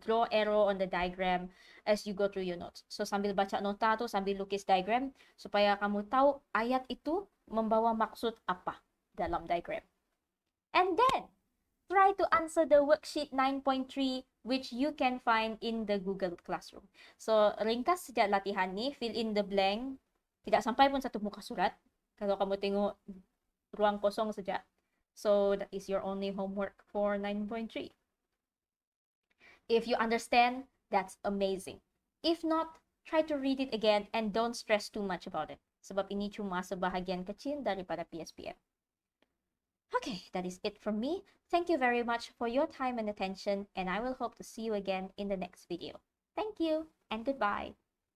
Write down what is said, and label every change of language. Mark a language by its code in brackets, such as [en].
[en] Draw arrow on the diagram as you go through your notes. [ms] So sambil baca nota tu, sambil lukis diagram, supaya kamu tahu ayat itu membawa maksud apa dalam diagram. [en] And then, try to answer the worksheet 9.3, which you can find in the Google Classroom. [ms] So, ringkas sejak latihan ni, [en] fill in the blank. [ms] Tidak sampai pun satu muka surat. Kalau kamu tengok ruang kosong sejak. [en] So, that is your only homework for 9.3. If you understand, that's amazing. If not, try to read it again and don't stress too much about it. [ms] Sebab ini cuma sebahagian kecil daripada PSPM. [en] Okay, that is it from me. Thank you very much for your time and attention, and I will hope to see you again in the next video. Thank you and goodbye.